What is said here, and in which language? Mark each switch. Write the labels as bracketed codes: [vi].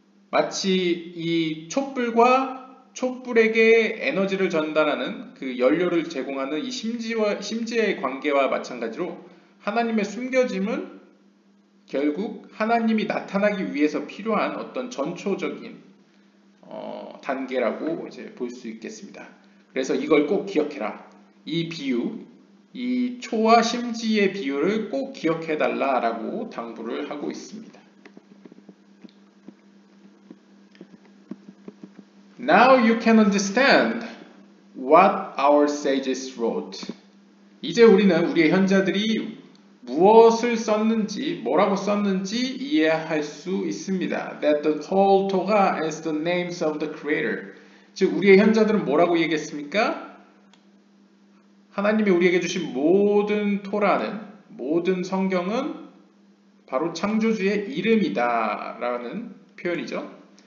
[ko] 마치 이 촛불과 촛불에게 에너지를 전달하는 그 연료를 제공하는 이 심지의 관계와 마찬가지로 하나님의 숨겨짐은 결국 하나님이 나타나기 위해서 필요한 어떤 전초적인 단계라고 이제 볼 수 있겠습니다. 그래서 이걸 꼭 기억해라. 이 비유, 이 초와 심지의 비유를 꼭 기억해달라라고 당부를 하고 있습니다. [en] Now you can understand what our sages wrote. [ko] 이제 우리는 우리의 현자들이 무엇을 썼는지, 뭐라고 썼는지 이해할 수 있습니다. [en] That the whole Torah is the names of the Creator. [ko] 즉, 우리의 현자들은 뭐라고 얘기했습니까? 하나님이 우리에게 주신 모든 토라는, 모든 성경은 바로 창조주의 이름이다 라는 표현이죠.